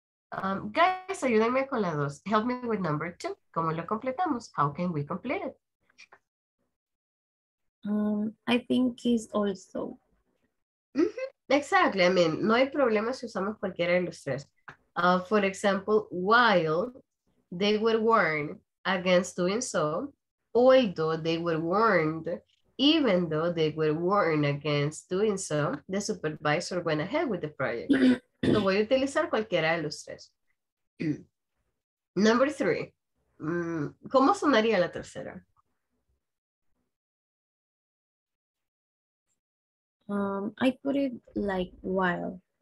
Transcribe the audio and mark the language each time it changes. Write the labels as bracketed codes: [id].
[en] Guys, [es] ayúdenme con la dos. [en] Help me with number two. [es] ¿Cómo lo completamos? [en] How can we complete it? I think is also. Mm-hmm. Exactly. I mean, [es] no hay problema si usamos cualquiera de los tres. [en] For example, while they were warned against doing so, although they were warned, even though they were warned against doing so, the supervisor went ahead with the project. [es] So voy a utilizar cualquiera de los tres. [en] Number three. [es] ¿Cómo sonaría la tercera? [en] I put it like while.